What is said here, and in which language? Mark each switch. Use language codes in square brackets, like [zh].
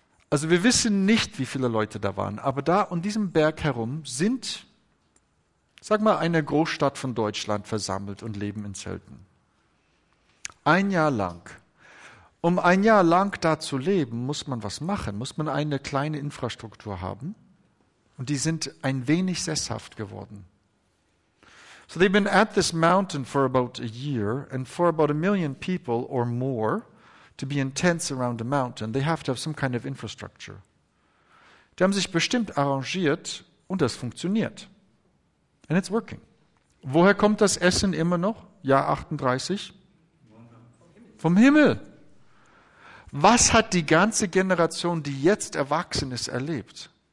[de] Also wir wissen nicht, wie viele Leute da waren, aber da um diesen Berg herum sind, sag mal, eine Großstadt von Deutschland versammelt und leben in Zelten. Ein Jahr lang. Um ein Jahr lang da zu leben, muss man was machen, muss man eine kleine Infrastruktur haben. Und die sind ein wenig sesshaft geworden. [en] So they've been at this mountain for about a year, and for about 1 million people or more to be in tents around the mountain, they have to have some kind of infrastructure. [de] Die haben sich bestimmt arrangiert und das funktioniert. [en] And it's working. [de] Woher kommt das Essen immer noch? Jahr 38? Vom Himmel. Was hat die ganze Generation, die jetzt erwachsen ist, erlebt?